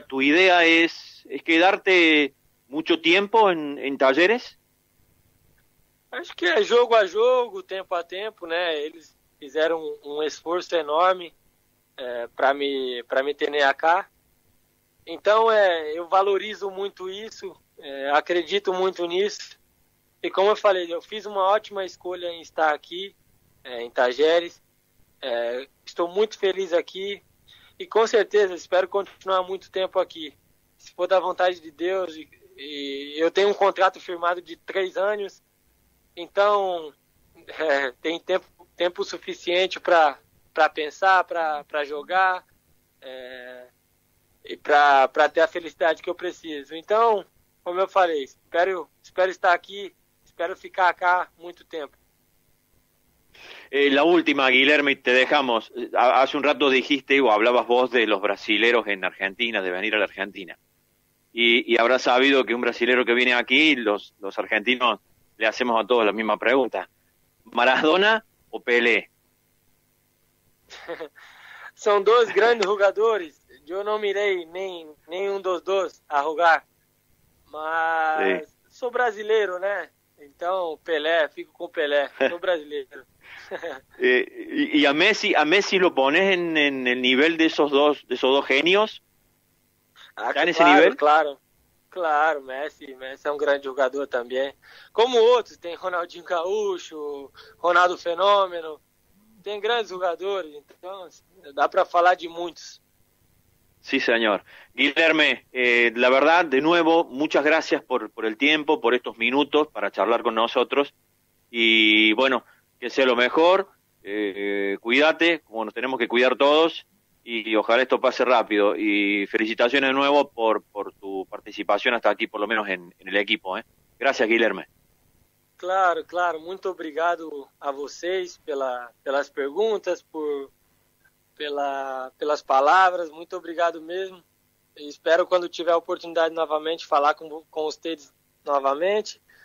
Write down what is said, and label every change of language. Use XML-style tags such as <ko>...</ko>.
<es>¿Tu idea es quedarte mucho tiempo en Talleres?</es> <pt>Acho que é jogo a jogo, tempo a tempo, né? Eles fizeram um esforço enorme para me ter cá. Então, eu valorizo muito isso, acredito muito nisso. E como eu falei, eu fiz uma ótima escolha em estar aqui, em Itajeres. Estou muito feliz aqui e com certeza espero continuar muito tempo aqui. Se for da vontade de Deus, e eu tenho um contrato firmado de 3 anos. Então, tem tempo suficiente para pensar, para jogar, e para ter a felicidade que eu preciso. Então, como eu falei, espero estar aqui, espero ficar cá muito tempo.</pt> <es>La última, Guilherme, te dejamos. Hace un rato dijiste o hablabas vos de los brasileros en Argentina, de venir a la Argentina. y habrá sabido que un brasilero que viene aquí, los argentinos le hacemos a todos la misma pregunta: ¿Maradona o Pelé? Son dos grandes jugadores. Yo no miré ni un dos dos a jugar, Sí.</es> <pt>mas</pt> <es>soy brasileiro,</es> <pt>né? Então, Pelé, fico con Pelé, soy brasileiro.</pt> <es>Y a Messi lo pones en el nivel de esos dos genios? Ah, ¿Está en ese nivel?</es> <pt>claro, Messi é um grande jogador também. Como outros, tem Ronaldinho Gaúcho, Ronaldo Fenômeno. Tem grandes jogadores, então dá para falar de muitos.</pt> <es>Sí, señor. Guilherme, la verdad, de nuevo, muchas gracias por el tiempo, por estos minutos para charlar con nosotros. Y bueno, que sea lo mejor. Cuídate, como nos tenemos que cuidar todos. Y ojalá esto pase rápido. Y felicitaciones de nuevo por tu participación hasta aquí, por lo menos en el equipo, ¿eh? Gracias, Guilherme.</es> <pt>Claro, muito obrigado a vocês pelas perguntas, pelas palavras, muito obrigado mesmo. Espero, quando tiver a oportunidade novamente, falar com vocês novamente.</pt>